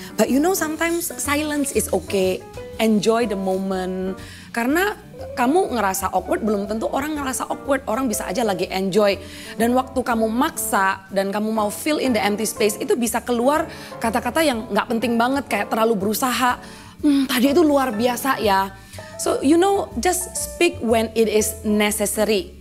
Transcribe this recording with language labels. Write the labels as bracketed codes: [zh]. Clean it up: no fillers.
[en] But you know sometimes silence is okay, enjoy the moment. [id] Karena kamu ngerasa awkward, belum tentu orang ngerasa awkward. Orang bisa aja lagi enjoy. Dan waktu kamu maksa dan kamu mau [en] fill in the empty space, [id] itu bisa keluar kata-kata yang gak penting banget, kayak terlalu berusaha. Tadi itu luar biasa ya. [en] So you know, just speak when it is necessary.